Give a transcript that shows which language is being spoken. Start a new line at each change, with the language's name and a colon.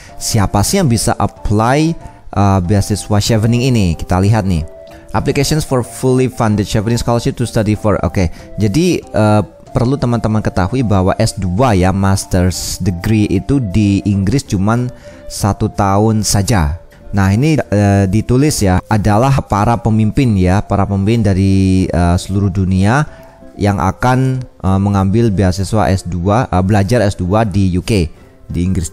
Indonesian: Siapa sih yang bisa apply beasiswa Chevening ini? Kita lihat nih.
English: Applications for fully funded Chevening scholarship to study for.
Indonesian: Jadi perlu teman-teman ketahui bahwa S2 ya,
English: master's degree
Indonesian: itu di Inggris cuman 1 tahun saja. Nah, ini ditulis ya, adalah para pemimpin ya, para pemimpin dari seluruh dunia yang akan mengambil beasiswa S2, belajar S2 di UK, di Inggris.